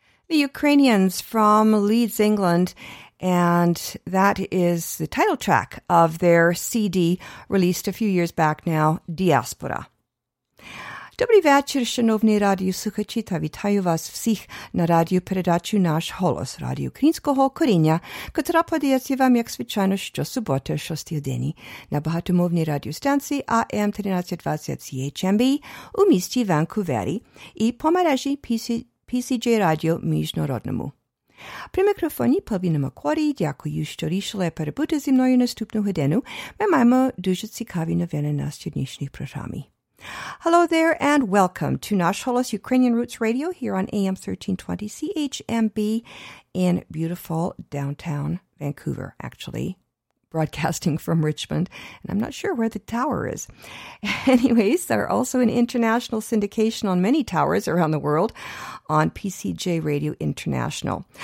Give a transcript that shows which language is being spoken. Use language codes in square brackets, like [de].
[en] Ukrainians from Leeds, England, and that is the title track of their CD released a few years back now, Diaspora. [uk] Добрий вечір, шановні радіослухачі, та вітаю вас всіх на радіопередачу «Наш голос» Радіо Українського коріння, котра подається вам, як звичайно, щосуботи о 6-й годині на багатомовній радіостанції АМ 1320 CHMB у місті Ванкувері і по мережі PCJ Radio Міжнародному. При мікрофоні Павіна Макорі, дякую, що рішили перебути зі мною наступну годину. Ми маємо дуже цікаві новини на сьогоднішній програмі. [en] Hello there and welcome to Nash Holos Ukrainian Roots Radio here on AM 1320 CHMB in beautiful downtown Vancouver, actually. Broadcasting from Richmond, and I'm not sure where the tower is. Anyways, there are also an international syndication on many towers around the world on PCJ Radio International.